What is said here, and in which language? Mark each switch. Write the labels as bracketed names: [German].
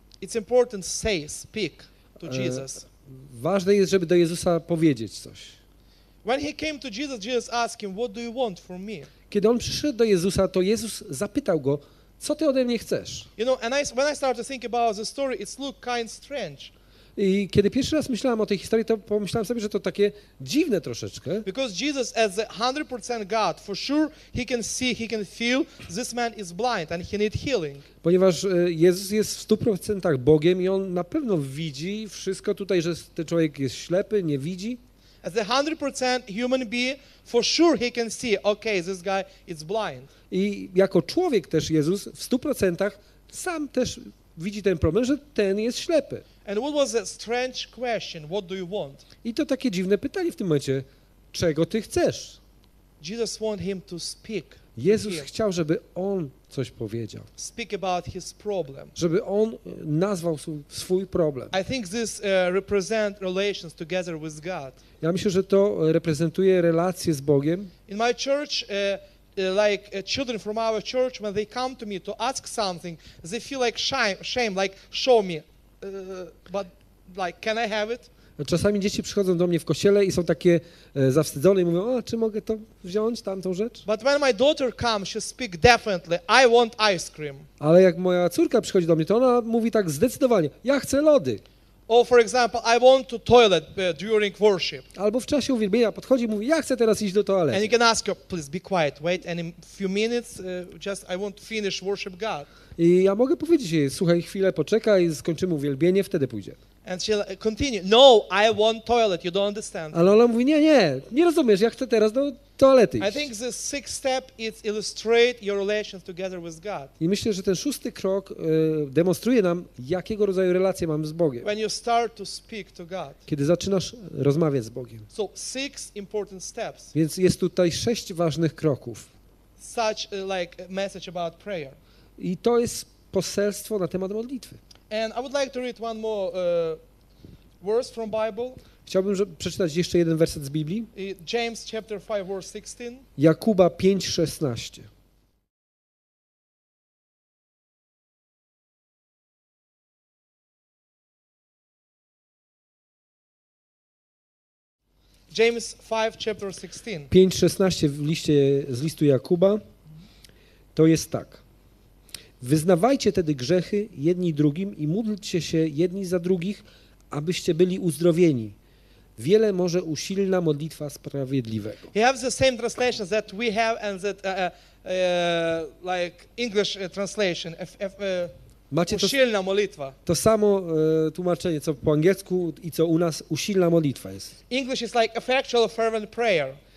[English] It's important to say, speak to Jesus. [Polish] Ważne jest, żeby do Jezusa powiedzieć coś. [English] When he came to Jesus, Jesus asked him, "What do you want from me?" [Polish] Kiedy on przyszedł do Jezusa, to Jezus zapytał go, co ty ode mnie chcesz? [English] You know, and when I started to think about the story, it looked kind of strange. [Polish] I kiedy pierwszy raz myślałem o tej historii, to pomyślałem sobie, że to takie dziwne troszeczkę. [English] Because Jesus as the 100% God, for sure he can see, he can feel this man is blind and he need healing. [Polish] Ponieważ Jezus jest w 100% Bogiem i on na pewno widzi wszystko tutaj, że ten człowiek jest ślepy, nie widzi. [English] As a 100% human being, for sure he can see, okay, this guy is blind. [Polish] I jako człowiek też Jezus w 100% sam też widzi ten problem, że ten jest ślepy. [English] And what was a strange question? What do you want? [Polish] I to takie dziwne pytanie w tym momencie. Czego ty chcesz? [English] Jesus want him to speak. [Polish] Jezus chciał, żeby on coś powiedział. [English] Speak about his problem. [Polish] Żeby on nazwał swój problem. [English] I think this represent relations together with God. [Polish] Ja myślę, że to reprezentuje relacje z Bogiem. [English] In my church, like children from our church, when they come to me to ask something, they feel like shame, like show me, but like can I have it? [Polish] Czasami dzieci przychodzą do mnie w kościele i są takie zawstydzone i mówią, o, czy mogę to wziąć, tamtą rzecz? [English] But when my daughter comes, she speaks definitely, I want ice cream. [Polish] Ale jak moja córka przychodzi do mnie, to ona mówi tak zdecydowanie, ja chcę lody. [English] Or for example, I want to toilet during worship. [Polish] Albo w czasie uwielbienia podchodzi i mówi, ja chcę teraz iść do toalety. [English] And you can ask her, please be quiet, wait and in few minutes, just I want to finish worship God. [Polish] I ja mogę powiedzieć jej, słuchaj chwilę, poczekaj, skończymy uwielbienie, wtedy pójdzie. [English] And she'll continue, no, I want toilet, you don't understand. [Polish] Ale ona mówi, nie rozumiesz, ja chcę teraz do toalety iść. [English] I think the sixth step is illustrate your relations together with God. [Polish] I myślę, że ten szósty krok demonstruje nam, jakiego rodzaju relacje mam z Bogiem. [English] When you start to speak to God. [Polish] Kiedy zaczynasz rozmawiać z Bogiem. [English] So six important steps. [Polish] Więc jest tutaj sześć ważnych kroków. [English] Such like a message about prayer. [Polish] I to jest poselstwo na temat modlitwy. [English] And I would like to read one more verse from Bible. [Polish] Chciałbym przeczytać jeszcze jeden werset z Biblii. [English] James chapter 5 verse 16. [Polish] Jakuba 5:16. [English] James 5, chapter 16. [Polish] 5:16 z listu Jakuba. To jest tak. Wyznawajcie tedy grzechy jedni drugim i módlcie się jedni za drugich, abyście byli uzdrowieni. Wiele może usilna modlitwa sprawiedliwego. [English] He has the same translation that we have and that like English translation. [Polish] Macie usilna modlitwa. To samo tłumaczenie co po angielsku i co u nas usilna modlitwa jest. [English] English is like effectual fervent prayer.